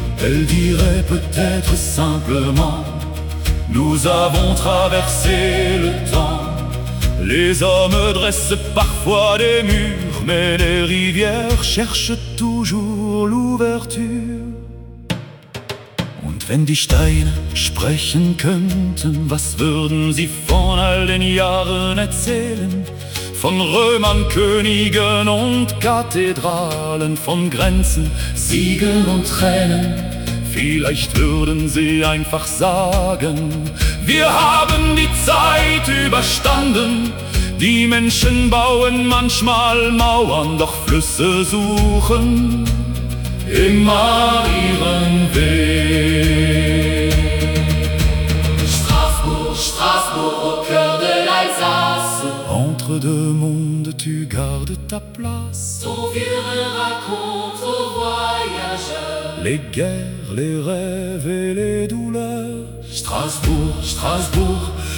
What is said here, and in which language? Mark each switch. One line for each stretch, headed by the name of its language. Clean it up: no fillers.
French: Elle dirait peut-être simplement, nous avons traversé le temps. Les hommes dressent parfois des murs, mais les rivières cherchent toujours l'ouverture.
German: Und wenn die Steine sprechen könnten, was würden sie von all den Jahren erzählen? Von Römern, Königen und Kathedralen, von Grenzen, Siegen und Tränen. Vielleicht würden sie einfach sagen, wir haben die Zeit überstanden. Die Menschen bauen manchmal Mauern, doch Flüsse suchen immer ihren Weg.
French: Strasbourg, Strasbourg, au cœur de l'Alsace, entre deux mondes tu gardes ta place. Ton vieux raconte aux voyageurs les guerres, les rêves et les douleurs. Strasbourg, Strasbourg,